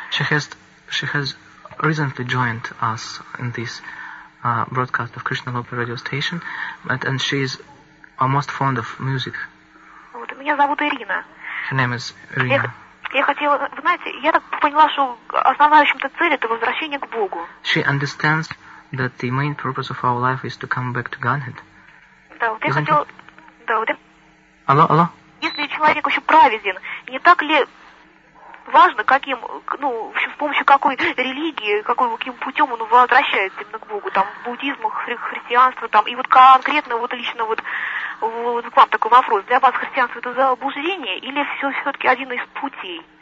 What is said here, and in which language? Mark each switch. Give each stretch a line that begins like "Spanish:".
English: She has recently joined us in this broadcast of Krishna Loka radio station, and she is most fond of music.
Russian: Меня зовут Ирина.
English: Her name is Irina.
Russian: Я хотела, вы знаете, я так поняла, что основная, в общем-то, цель — это возвращение к Богу.
English: She understands that the main purpose of our life is to come back to Godhead.
Russian: Да, вот Алло, алло. Если человек еще праведен, не так ли важно, каким, ну, в общем, с помощью какой религии, каким путем он возвращается именно к Богу, там, буддизм, христианство, там, и вот конкретно, вот лично вот. Вот к вам такой вопрос. Для вас христианство — это заблуждение, или все-таки один из путей?